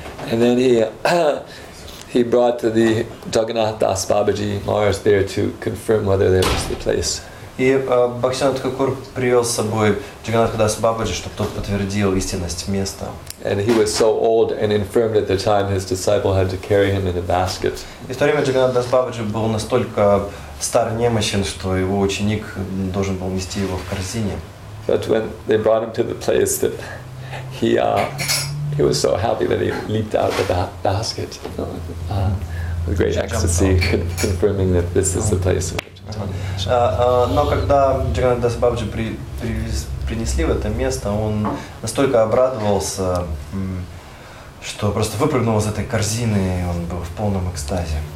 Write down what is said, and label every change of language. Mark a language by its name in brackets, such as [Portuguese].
[English] And then he brought to the Jagannath Das Babaji Maharaj there to confirm whether there was the place. [Russian] И Бхактисиддханта Тхакур привел с собой Джаганнатха Дас Бабаджи, чтобы тот подтвердил истинность места. [English] And he was so old and infirm at the time, his disciple had to carry him in a basket. [Russian] И в то время Джаганнатха Дас Бабаджи был настолько стар и немощен, что его ученик должен был нести его в корзине. [English] But when they brought him to the place, that he was so happy that he leaped out of the basket, with great ecstasy, confirming that this is the place. [Russian] Но когда Джаганнатха Дас Бабаджи принесли в это место, он настолько обрадовался, что просто выпрыгнул из этой корзины, и он был в полном экстазе.